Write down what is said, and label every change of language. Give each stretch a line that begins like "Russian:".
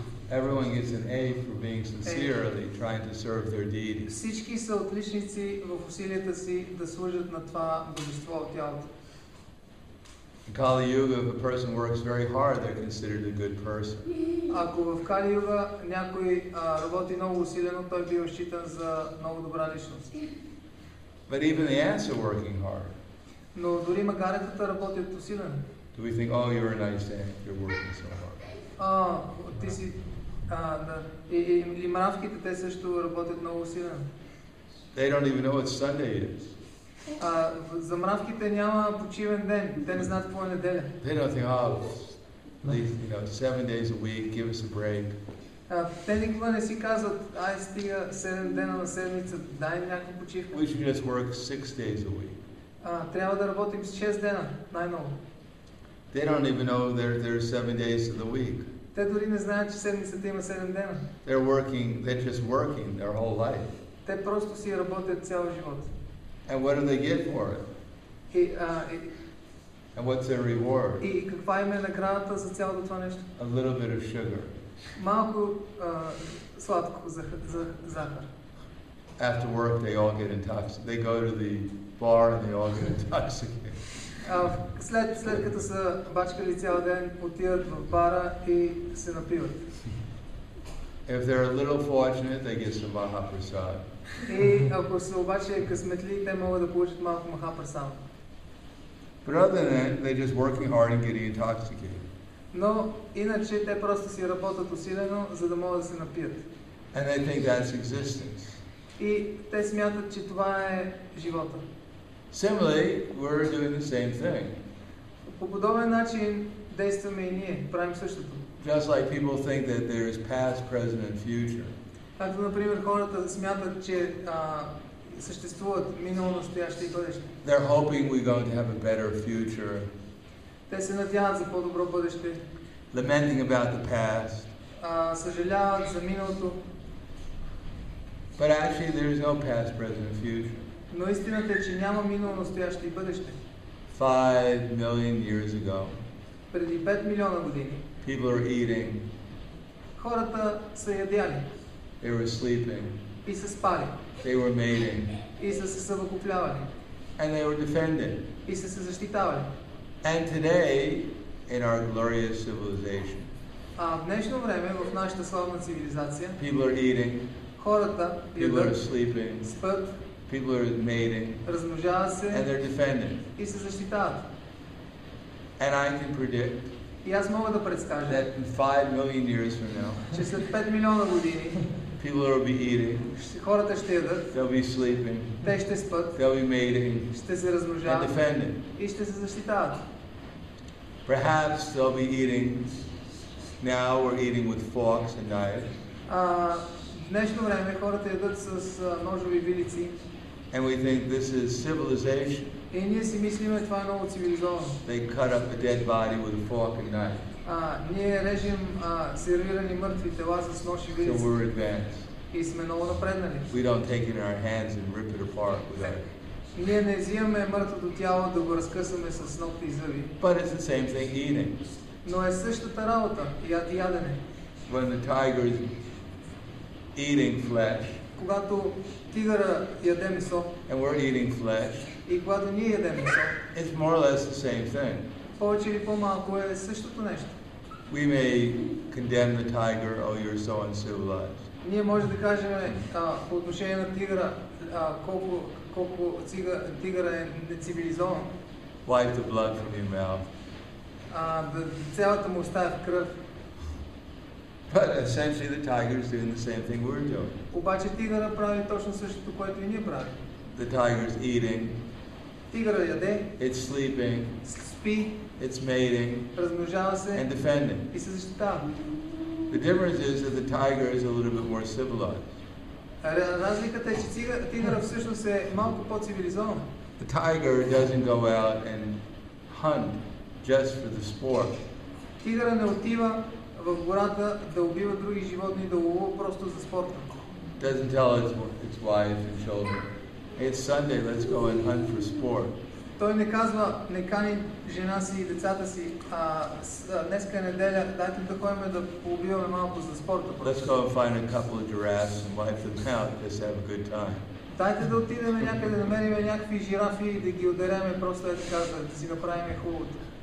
English: Everyone gets an A for being sincerely trying to serve their deity.
Bulgarian: Всички са отличници в усилията си да служат на това божество от тялото.
English: In Kali Yuga, if a person works very hard, they're considered a good person.
Bulgarian: Ако в Кали Юга някой работи много усилено, той бива считан за много добра личност.
English: But even the ants are working hard.
Bulgarian: Но дори магаретата работят усилено.
English: Do we think, oh, you're a nice ant, you're working so hard?
Bulgarian: Ти си, да. И мравките, те също работят много усилено.
English: They don't even know what Sunday is.
Bulgarian: За мравките няма почивен ден. Те не знаят какво е неделя.
English: They don't think, oh, least, you know, 7 days a week, give us a break.
Bulgarian: Те никога не си казват, ай, стига 7 дена на седмица, дай ми някаква почивка.
English: We should just work 6 days a week.
Bulgarian: Трябва да работим 6 дена, най-много.
English: They don't even know there are 7 days of the week.
Bulgarian: Те дори не знаят, че седмицата има 7 дена.
English: They're just working their whole life.
Bulgarian: Те просто си работят цял живот.
English: And what do they get for it? And what's their reward?
Bulgarian: И каква им е наградата за цялото това нещо?
English: A little bit of sugar.
Bulgarian: Малко сладко за захар.
English: After work they all get intoxicated. They go to the bar and they all get intoxicated.
Bulgarian: След като са бачкали цял ден, отиват в бара и се напиват.
English: If they're a little fortunate, they get some Mahaprasad.
Bulgarian: И ако са обаче късметли, те могат да получат малко Mahaprasad.
English: But other than that, they're just working hard and getting intoxicated.
Bulgarian: Но иначе те просто си работят усилено, за да могат да се напият.
English: And they think that's existence.
Bulgarian: И те смятат, че това е живота.
English: Similarly, we're doing the same thing.
Bulgarian: По подобен начин действаме и ние, правим същото.
English: Just like people think that there is past, present and future.
Bulgarian: Както, например, хората смятат, че съществуват минало, настояще и бъдеще.
English: They're hoping we're going to have a better future.
Bulgarian: Те се надяват за по-добро бъдеще.
English: Lamenting about the past.
Bulgarian: Съжаляват за миналото.
English: But actually there is no past, present and future.
Bulgarian: Но истината е, че няма минало, настояще и бъдеще.
English: 5 million years ago.
Bulgarian: Преди 5 милиона години.
English: People are eating.
Bulgarian: Хората са ядяли.
English: They were sleeping.
Bulgarian: И са спали.
English: They were mating.
Bulgarian: И са се съвокупявали.
English: And they were defending.
Bulgarian: И са се защитавали.
English: And today, in our glorious civilization.
Bulgarian: А в днешно време, в нашата славна цивилизация.
English: People are eating.
Bulgarian: Хората ядат.
English: People are sleeping.
Bulgarian: Спят.
English: People are mating.
Bulgarian: Размножава се.
English: And they're defending.
Bulgarian: И се защитават.
English: And I can predict.
Bulgarian: И аз мога да предскажа,
English: that in 5 million years from now,
Bulgarian: че след 5 милиона години,
English: people will be eating,
Bulgarian: хората ще ядат,
English: they'll be sleeping,
Bulgarian: те ще спят,
English: they'll be mating,
Bulgarian: ще се размножават,
English: and defending,
Bulgarian: и ще се защитават.
English: Perhaps they'll be eating, now we're eating with forks and knives,
Bulgarian: в днешно време хората ядат с ножови вилици,
English: and we think this is civilization.
Bulgarian: И ние си мислиме, това е много цивилизовано.
English: They cut up a dead body with a fork and knife.
Bulgarian: Ние режем сервирани мъртви тела с нож и вилица.
English: So we're advanced.
Bulgarian: И сме много напреднали.
English: We don't take it in our hands and rip it apart with that.
Bulgarian: Ние не взимаме мъртвото тяло да го разкъсаме с ногти и зъби.
English: But it's the same thing eating.
Bulgarian: Но е същата работа, ядене.
English: When the tiger is eating flesh.
Bulgarian: Когато тигъра яде месо.
English: And we're eating flesh.
Bulgarian: И когато ние ядем месо,
English: it's more or less the same thing.
Bulgarian: Повече или по-малко е същото нещо.
English: We may condemn the tiger, oh, you're so uncivilized.
Bulgarian: Ние може да кажем по отношение на тигъра, колко тигъра е нецивилизован.
English: Wipe the blood from your mouth.
Bulgarian: Цялата му уста е в кръв.
English: But essentially the tiger is doing the same thing we're doing.
Bulgarian: Обаче тигъра прави точно същото, което и ние правим.
English: The tiger is eating.
Bulgarian: Тигъра яде.
English: It's sleeping.
Bulgarian: Спи.
English: It's mating.
Bulgarian: Размножава се.
English: And defending.
Bulgarian: И се защитава.
English: The difference is that the tiger is a little bit more civilized.
Bulgarian: Разликата е, че тигъра всъщност е малко по-цивилизован.
English: The tiger doesn't go out and hunt just for the sport.
Bulgarian: Тигъра не отива в гората да убива други животни, да лова просто за спорта.
English: Doesn't tell its wife and children, it's Sunday, let's go and hunt for sport.
Bulgarian: Той не казва, не кани жена си и децата си, а днеска е неделя, дайте да ходим да поубиваме малко за спорта.
English: Let's go and find a couple of giraffes and wipe them out, just have a good time.
Bulgarian: Дайте да отидем някъде, намерим някакви жирафи и да ги ударяме просто е така, да си направим хубавото.